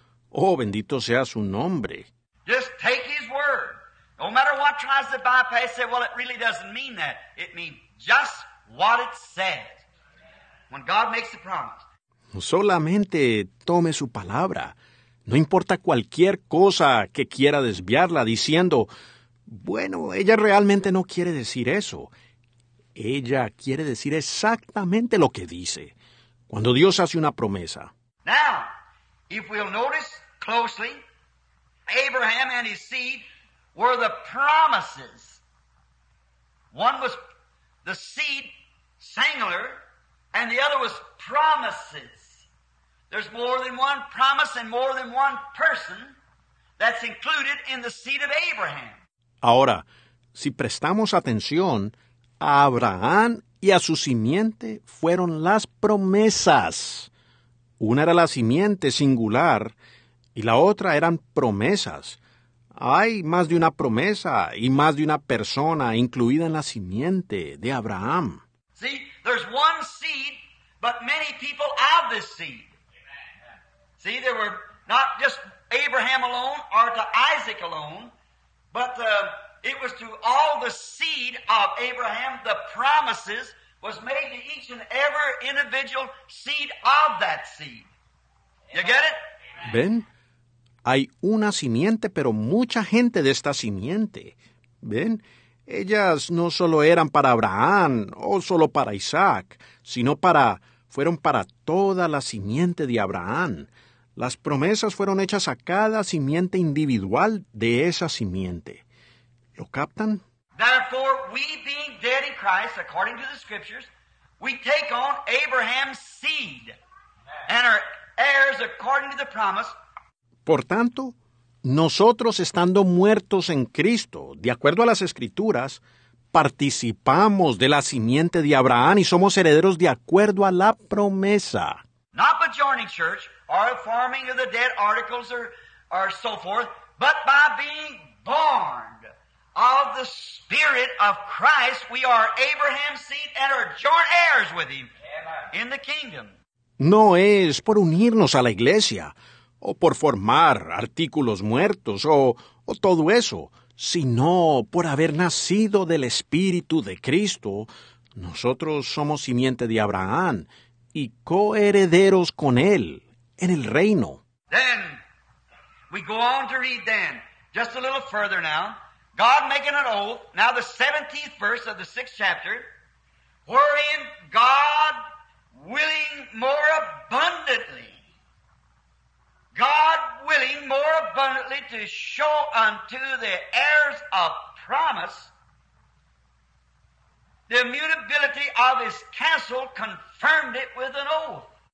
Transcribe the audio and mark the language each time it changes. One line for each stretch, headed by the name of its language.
Spanish: Oh, bendito sea su nombre.
English: Just take His word. No matter what tries to bypass, say, well, it really doesn't mean that. It means just what it says. When God makes the promise.
Spanish: Solamente tome su palabra. No importa cualquier cosa que quiera desviarla diciendo, bueno, ella realmente no quiere decir eso. Ella quiere decir exactamente lo que dice. Cuando Dios hace una promesa.
English: Now, if we'll notice closely, Abraham and his seed were the promises. One was the seed, singular, and the other was promises. There's more than one promise and more than one person that's included in the seed of Abraham.
Spanish: Ahora, si prestamos atención, a Abraham y a su simiente fueron las promesas. Una era la simiente singular y la otra eran promesas. Hay más de una promesa y más de una persona incluida en la simiente de Abraham.
English: See, there's one seed, but many people of this seed. See, there were not just Abraham alone or to Isaac alone, but it was to all the seed of Abraham, the promises was made to each and every individual seed of that seed. You get it?
Spanish: Ben, hay una simiente, pero mucha gente de esta simiente. Ben, ellas no solo eran para Abraham o solo para Isaac, sino fueron para toda la simiente de Abraham. Las promesas fueron hechas a cada simiente individual de esa simiente. ¿Lo captan?
English: Therefore, we being dead in Christ, according to the Scriptures, we take on Abraham's seed and are heirs according to the promise.
Spanish: Por tanto, nosotros estando muertos en Cristo, de acuerdo a las Escrituras, participamos de la simiente de Abraham y somos herederos de acuerdo a la promesa.
English: Not by joining church, or forming of the dead articles, or so forth, but by being born of the Spirit of Christ, we are Abraham's seed and are joint heirs with him in the kingdom.
Spanish: No es por unirnos a la iglesia, o por formar artículos muertos, o todo eso, sino por haber nacido del Espíritu de Cristo. Nosotros somos simiente de Abraham, y coherederos con él en el reino.
English: Then, we go on to read then, just a little further now, God making an oath, now the 17th verse of the 6th chapter, wherein God willing more abundantly, God willing more abundantly to show unto the heirs of promise the immutability of his counsel confirmed it with an oath.